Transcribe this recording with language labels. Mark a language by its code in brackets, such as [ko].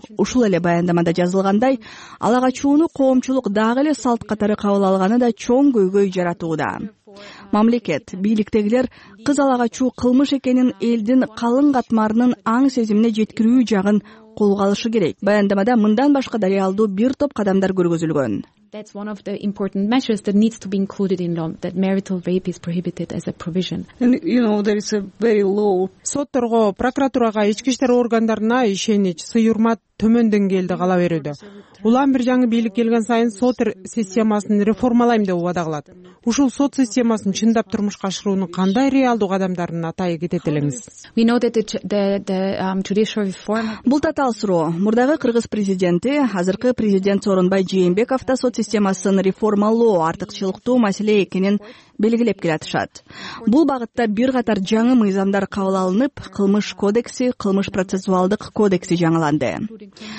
[ky] Ушул эле баяндамада жазылгандай, алага чууну коомчулук дагы эле салт катары кабыл алганы да чоң көйгөй жаратууда. Мамлекет, бийликтегилер кыз алага чуу кылмыш экенин элдин калың катмарынын аң сезимине жеткирүү жагын колго алышы керек. Баяндамада мындан башка дарыялдуу бир топ кадамдар көргөзүлгөн. [en] That's one of the important measures that needs to be included in law, that marital rape is prohibited as a provision. And, you know, there is a very low... [ky] Сотторго, прокуратурага, ички иштер органдарына ишенич, сый-урмат төмөн деңгээлде кала берүүдө. Улам бир жаңы бийлик келген сайын соттор системасын реформалайм деп убада кылат. Ушул сот системасын чындап турмушка ашыруунун кандай реалдуу кадамдарын атайы кетет элеңиз? [en] We know that the judicial reform... [ky] Бул татаал суроо. Мурдагы кыргыз президенти, азыркы президент Сооронбай Жээнбеков да сот системасын реформалоо артыкчылыктуу маселе экенин белгилеп келатышат. Бул багытта бир катар жаңы мыйзамдар кабыл алынып, кылмыш кодекси, кылмыш процессуалдык кодекси жаңыланды.